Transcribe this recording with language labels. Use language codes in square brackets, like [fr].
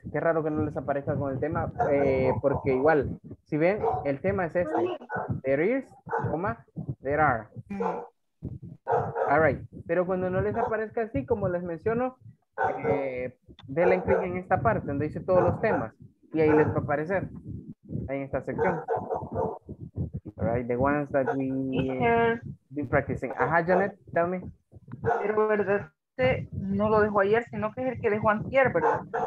[es] Qué raro que no les aparezca con el tema, porque igual, si ven, el tema es este. [en] There is, coma, there are. All right. [es] Pero cuando no les aparezca así, como les menciono, denle clic en esta parte donde dice todos los temas y ahí les va a aparecer ahí en esta sección. [en] All right, the ones that we been practicing. Ajá, Janet, tell me. [es] Pero verdad, no lo dejó ayer, sino que es el que dejó antier, ¿verdad?